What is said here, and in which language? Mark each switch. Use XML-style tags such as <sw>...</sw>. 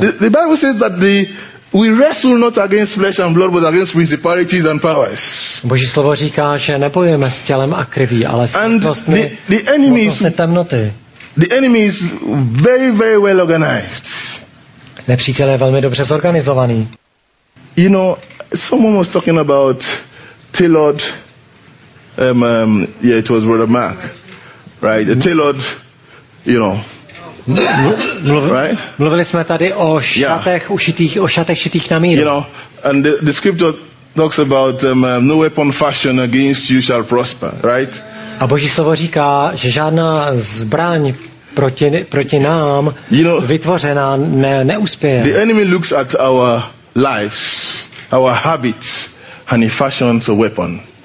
<en>The Bible says that we wrestle not against flesh and blood, but against principalities and powers.</en> <cs>Boží slovo říká, že nebojujeme s tělem a krví, ale s mocnostmi temnoty.</cs> <en>The enemy is very, very well organized.</en> <cs>Nepřítel je velmi dobře zorganizovaný.</cs> <en>You know, someone was talking about tailored. It was Brother Mark, right? The tailored, you know. Right?</en> <cs>Mluvili jsme tady o šatech ušitých, o šatech šitých na míru.</cs> <en>You know, and the scripture talks about no weapon fashioned against you shall prosper, right?</en> <cs>A Boží slovo říká, že žádná zbraň proti nám,</cs> <en>you know,</en> <cs>vytvořená neuspěje.</cs> <en>The enemy looks at our lives, our habits, and he fashions a weapon.</en>